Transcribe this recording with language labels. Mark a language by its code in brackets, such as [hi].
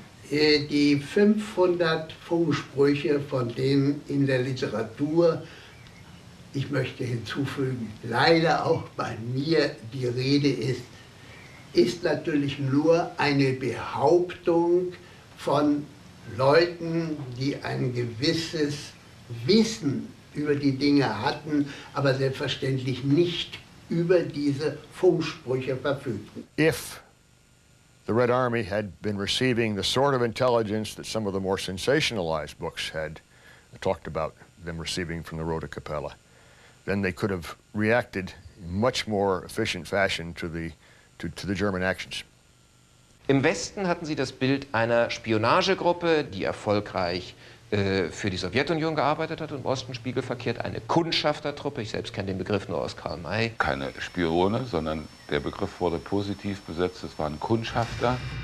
[de] Die 500 Funksprüche, von denen in der Literatur, ich möchte hinzufügen, leider auch bei mir die Rede ist, ist natürlich nur eine Behauptung von Leuten, die ein gewisses Wissen über die Dinge hatten, aber selbstverständlich nicht über diese Funksprüche verfügten. [en] If the Red Army had been receiving the sort of intelligence that some of the more sensationalized books had talked about them receiving from the Rota Capella, then they could have reacted in much more efficient fashion to the German actions. [de] Im Westen hatten sie das Bild einer Spionagegruppe, die erfolgreich für die Sowjetunion gearbeitet hat, und im Osten spiegelverkehrt eine Kundschaftertruppe. Ich selbst kenne den Begriff nur aus Karl May. Keine Spione, sondern der Begriff wurde positiv besetzt, es waren Kundschafter.